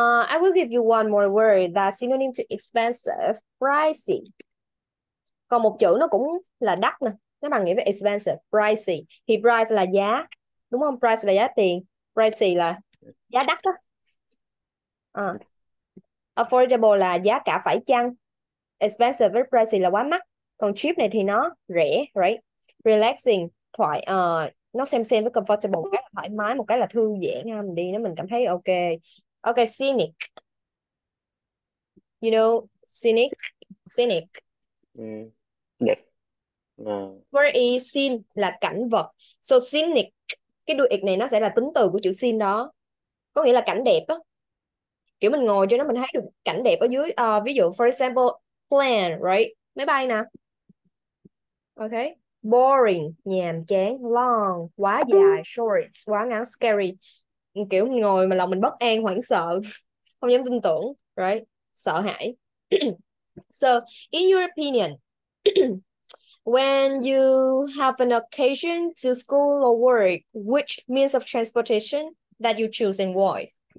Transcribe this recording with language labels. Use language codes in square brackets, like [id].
[en] I will give you one more word that synonym to expensive, pricey. [vi] Còn một chữ nó cũng là đắt nè, nó bằng nghĩa với expensive, pricey. Thì price là giá, đúng không? Price là giá tiền, pricey là giá đắt đó. Affordable là giá cả phải chăng. Expensive với pricey là quá mắc. Còn cheap này thì nó rẻ, right? Relaxing, thoải, nó xem với comfortable, một cái là thoải mái, một cái là thư giãn ha, mình đi nếu mình cảm thấy ok. [en] Ok, scenic. Scenic. Scenic. [vi] Đẹp. [en] Where is scene [vi] là cảnh vật. So scenic, cái đuôi ịt này nó sẽ là tính từ của chữ scene đó. Có nghĩa là cảnh đẹp á. Kiểu mình ngồi cho nó mình thấy được cảnh đẹp ở dưới. Ví dụ, [en] for example, plane, right? [vi] Máy bay nè. Okay. Boring, nhàm chán, long, quá dài, short, quá ngắn, scary. Kiểu mình ngồi mà lòng mình bất an, hoảng sợ, không dám tin tưởng, right? Sợ hãi. [en] So, in your opinion, when you have an occasion to school or work, which means of transportation that you choose and why?